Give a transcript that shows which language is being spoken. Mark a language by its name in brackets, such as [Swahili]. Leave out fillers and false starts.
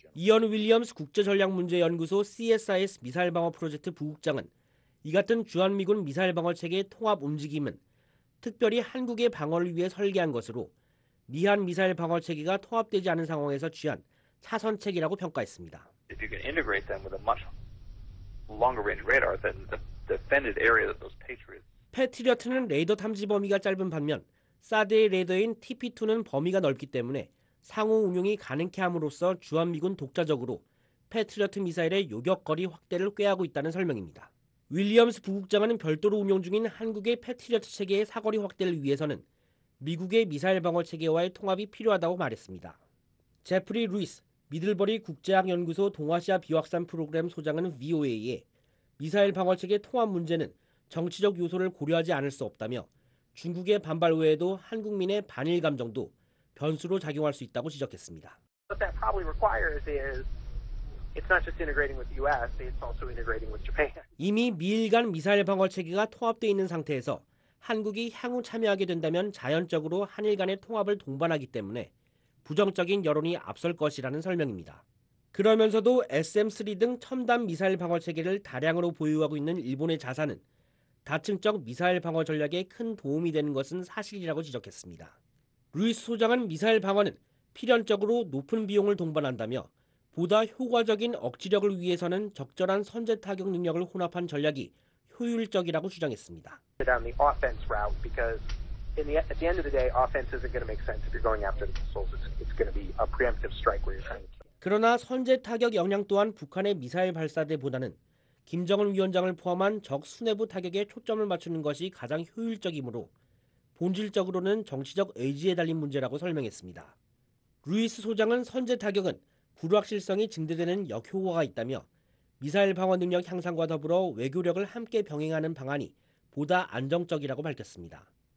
[English] general. [Korean] 이언 윌리엄스 국제전략문제연구소 CSIS 미사일 방어 프로젝트 부국장은 이 같은 주한미군 미사일 방어 체계 통합 움직임은 특별히 한국의 방어를 위해 설계한 것으로 미한 미사일 방어 체계가 통합되지 않은 상황에서 취한 차선책이라고 평가했습니다. [English] If you can integrate them with a much longer range radar than the defended area that those Patriots. [Korean] 패트리어트는 레이더 탐지 범위가 짧은 반면 사드의 레이더인 TP2는 범위가 넓기 때문에 상호 운용이 가능케 함으로써 주한미군 독자적으로 패트리어트 미사일의 요격 거리 확대를 꾀하고 있다는 설명입니다. 윌리엄스 부국장은 별도로 운용 중인 한국의 패트리어트 체계의 사거리 확대를 위해서는 미국의 미사일 방어 체계와의 통합이 필요하다고 말했습니다. 제프리 루이스, 미들버리 국제학연구소 동아시아 비확산 프로그램 소장은 VOA에 미사일 방어 체계 통합 문제는 정치적 요소를 고려하지 않을 수 없다며 중국의 반발 외에도 한국민의 반일 감정도 변수로 작용할 수 있다고 지적했습니다. [English] What that probably requires is it's not just integrating with the U.S., it's also integrating with Japan. [Korean] 이미 미일간 미사일 방어 체계가 통합되어 있는 상태에서 한국이 향후 참여하게 된다면 자연적으로 한일 간의 통합을 동반하기 때문에 부정적인 여론이 앞설 것이라는 설명입니다. 그러면서도 SM-3 등 첨단 미사일 방어 체계를 다량으로 보유하고 있는 일본의 자산은 다층적 미사일 방어 전략에 큰 도움이 되는 것은 사실이라고 지적했습니다. 루이스 소장은 미사일 방어는 필연적으로 높은 비용을 동반한다며 보다 효과적인 억지력을 위해서는 적절한 선제 타격 능력을 혼합한 전략이 효율적이라고 주장했습니다. [English] On the offense route because at the end of the day, offense isn't going to make sense if you're going after the missiles. It's going to be a preemptive strike where you're trying to. [Korean] 그러나 선제 타격 역량 또한 북한의 미사일 발사대보다는 김정은 위원장을 포함한 적 수뇌부 타격에 초점을 맞추는 것이 가장 효율적이므로 본질적으로는 정치적 의지에 달린 문제라고 설명했습니다. 루이스 소장은 선제 타격은 불확실성이 증대되는 역효과가 있다며 미사일 방어 능력 향상과 더불어 외교력을 함께 병행하는 방안이 보다 안정적이라고 밝혔습니다.